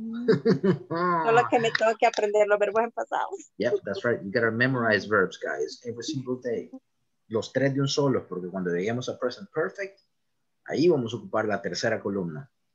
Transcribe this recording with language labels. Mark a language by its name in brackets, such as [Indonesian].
[Spanish] Solo que me tengo que aprender los verbos en pasado. [English] Yep, that's right. You gotta memorize verbs, guys, every single day. [Spanish] Los tres de un solo, porque cuando lleguemos a present perfect, ahí vamos a ocupar la tercera columna.